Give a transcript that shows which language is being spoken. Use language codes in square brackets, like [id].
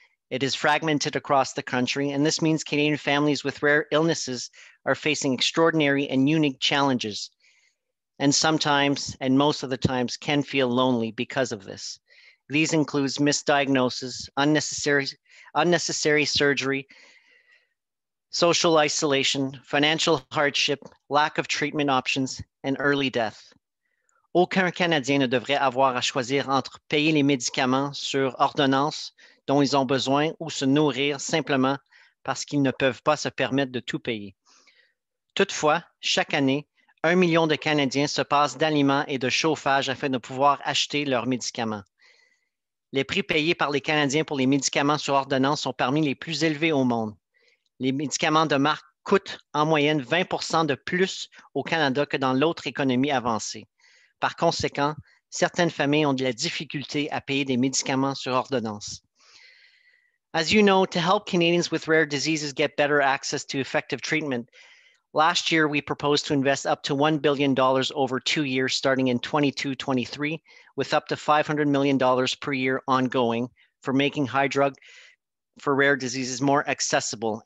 [en] It is fragmented across the country, and this means Canadian families with rare illnesses are facing extraordinary and unique challenges, and sometimes, and most of the times, can feel lonely because of this. These include misdiagnosis, unnecessary surgery, social isolation, financial hardship, lack of treatment options, and early death. [fr] Aucun Canadien ne devrait avoir à choisir entre payer les médicaments sur ordonnance dont ils ont besoin ou se nourrir simplement parce qu'ils ne peuvent pas se permettre de tout payer. Toutefois, chaque année, 1 million de Canadiens se passent d'aliments et de chauffage afin de pouvoir acheter leurs médicaments. Les prix payés par les Canadiens pour les médicaments sur ordonnance sont parmi les plus élevés au monde. Les médicaments de marque coûtent en moyenne 20 % de plus au Canada que dans l'autre économie avancée. Par conséquent, certaines familles ont de la difficulté à payer des médicaments sur ordonnance. [en] As you know, to help Canadians with rare diseases get better access to effective treatment, last year we proposed to invest up to $1 billion over 2 years starting in 2022-23, with up to $500 million per year ongoing for making high drug for rare diseases more accessible.